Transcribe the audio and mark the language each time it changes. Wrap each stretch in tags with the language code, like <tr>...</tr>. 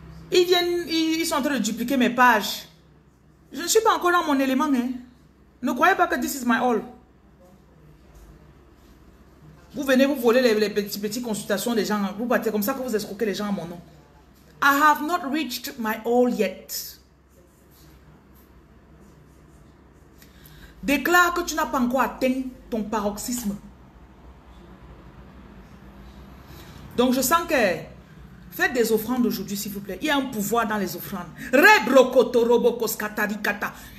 <fr>Ils viennent... Ils sont en train de dupliquer mes pages. Je ne suis pas encore dans mon élément. Hein? Ne croyez pas que</fr> <en>this is my all.</en> <fr>Vous venez vous voler les petites consultations des gens. Vous partez comme ça que vous escroquez les gens à mon nom.</fr> <en>I have not reached my all yet.</en> <fr>Déclare que tu n'as pas encore atteint ton paroxysme. Donc je sens que Faites des offrandes aujourd'hui, s'il vous plaît. Il y a un pouvoir dans les offrandes. Rebrokoto robokos katarikata.</fr>